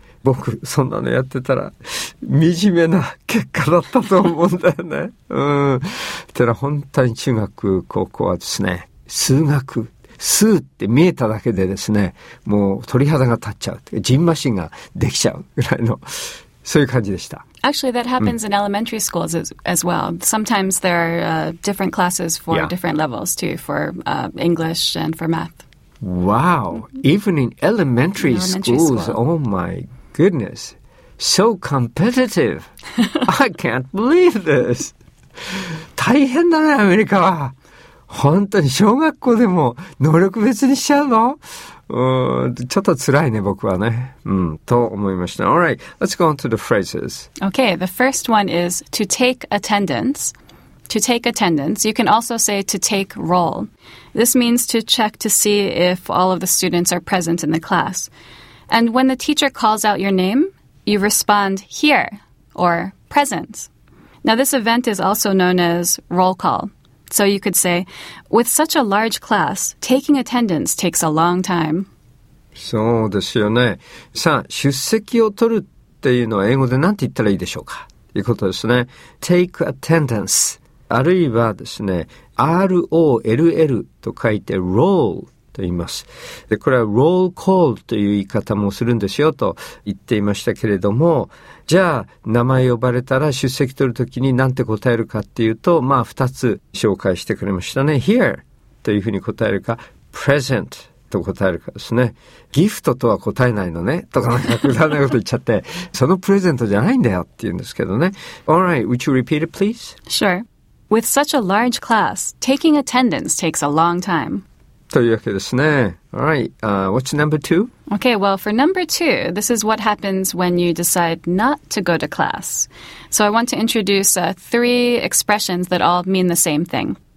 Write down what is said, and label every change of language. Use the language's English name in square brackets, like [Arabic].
[Japanese] 僕そんなのやってたら惨めな結果だったと思うんだよね。てら本当に中学高校はですね、数学、数って見えただけでですね、もう鳥肌が立っちゃう、ジンマシンができちゃうぐらいの、そういう感じでした。 [English] Actually, that happens in elementary schools as well. Sometimes there are different classes for different levels too, for English and for math. Wow! Even in elementary schools, oh my goodness, so competitive! I can't believe this! [Japanese] 大変だね、アメリカは。本当に小学校でも能力別にしちゃうの？ちょっと辛いね、僕はね。と思いました。 [English] All right, let's go on to the phrases. Okay, the first one is to take attendance. To take attendance, you can also say to take roll. This means to check to see if all of the students are present in the class. And when the teacher calls out your name, you respond here or present. Now, this event is also known as roll call. So you could say, with such a large class, taking attendance takes a long time. [Japanese] そうですよね。さあ、出席を取るっていうのは英語で何て言ったらいいでしょうか？ということですね。 [English] Take attendance。 [Japanese] あるいはですね、ROLL と書いて roll と言います。で、これは roll call という言い方もするんですよと言っていましたけれども、じゃあ、名前呼ばれたら出席取るときに何て答えるかっていうと、まあ、二つ紹介してくれましたね。 here というふうに答えるか、present と答えるかですね。 gift とは答えないのね。とかなんかくだらないこと言っちゃって、そのプレゼントじゃないんだよって言うんですけどね。 [English] Alright, would you repeat it please? Sure. With such a large class, taking attendance takes a long time. [Japanese] というわけですね。 [English] Alright, what's number two? Okay, well, for number two, this is what happens when you decide not to go to class. So I want to introduce three expressions that all mean the same thing.